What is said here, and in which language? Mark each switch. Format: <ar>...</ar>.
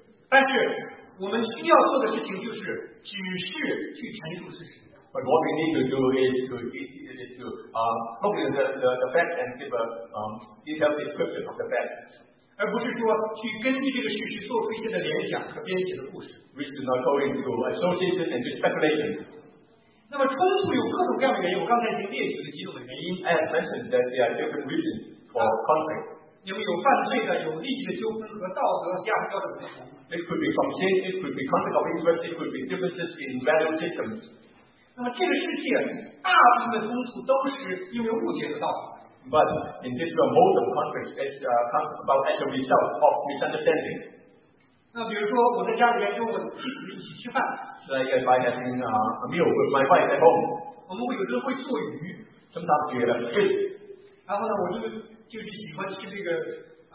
<zh>但是我们需要做的事情就是只是去陈述事实。</zh> <en>But what we need to do is to look at the facts and give a detailed description of the facts.</en> <zh>而不是说去根据这个事实做出一些的联想和编写的故事。</zh> <en>We should not go into association and speculation.</en> <zh>那么冲突有各种各样的原因，我刚才已经列举了几种的原因。</zh> <en>I have mentioned that there are different reasons for conflict.</en> <zh>因为有犯罪的，有利益的纠纷和道德价值标准不同。</zh> <en>It could be from sin, it could be conflict of interest, it could be differences in value systems.</en> <zh>那么这个世界大部分的冲突都是因为误解的道理。</zh> <en>But in this world, most of conflict is come about as a result of misunderstanding.</en> <zh>那比如说我在家里面就我自己一起吃饭。</zh> <en>Like if I had been a meal with my wife at home.</en> <zh>我们会有时候会做鱼。</zh> <en>Sometimes we have fish.</en> <zh>然后呢，我就喜欢吃这个。</zh>